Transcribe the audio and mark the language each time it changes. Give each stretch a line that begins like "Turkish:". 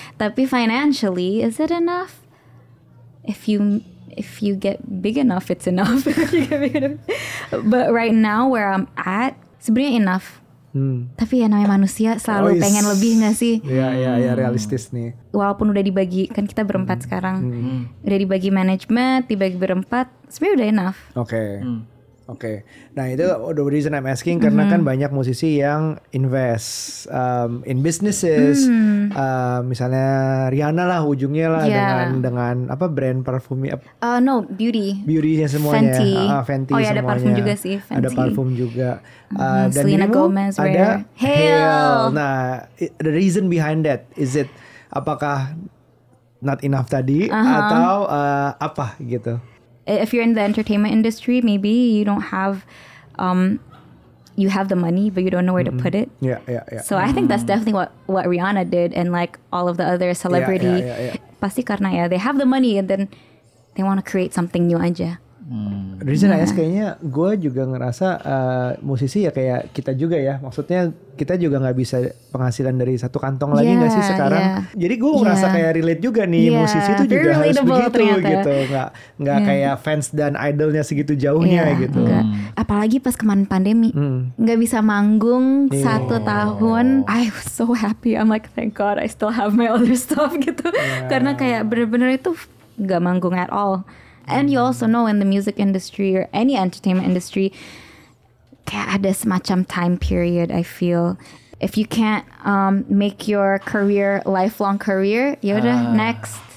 English: Tapi financially, is it enough? If you get big enough, it's enough. But right now where I'm at, sebenarnya enough.
Indonesian: Tapi ya namanya manusia selalu pengen lebih gak sih? Iya, realistis nih. Walaupun udah dibagi, kan kita berempat sekarang. Udah dibagi management, dibagi berempat, sebenarnya udah enough. Oke. Nah itu
English: the reason I'm asking,
Indonesian: karena kan banyak musisi yang
English: invest in businesses,
Indonesian: misalnya Rihanna lah ujungnya lah, dengan apa brand parfumnya? Beautynya semuanya. Fenty. Oh ya, ada semuanya. Parfum juga sih. Fenty. Ada parfum juga. Dan Selena Gomez, ada Hail. Nah,
English: the reason behind that is it
Indonesian: apakah
English: not enough
Indonesian: tadi atau apa gitu?
English: If you're in the entertainment industry, maybe you don't have, you have the money, but you don't know where to put it. Yeah. So I think that's definitely what Rihanna did, and like all of the other celebrity.
Indonesian: Pasti karena ya,
English: they have the money, and then they want to create something new aja.
Indonesian: Reason is kayaknya gue juga ngerasa musisi ya kayak kita juga ya. Maksudnya kita juga gak bisa penghasilan dari satu kantong lagi gak sih sekarang. Jadi gue ngerasa kayak relate juga nih. Musisi itu juga harus begitu ternyata. Gitu. Gak kayak fans dan idolnya segitu jauhnya gitu. Apalagi pas kemarin pandemi. Gak bisa manggung satu tahun.
English: I was so happy. I'm like thank God I still have my other stuff gitu.
Indonesian: Karena kayak benar-benar itu gak manggung
English: at all. And you also know in the music industry or any entertainment industry,
Indonesian: kayak ada semacam
English: time period, I feel. If you can't make your career, lifelong career, yaudah, next.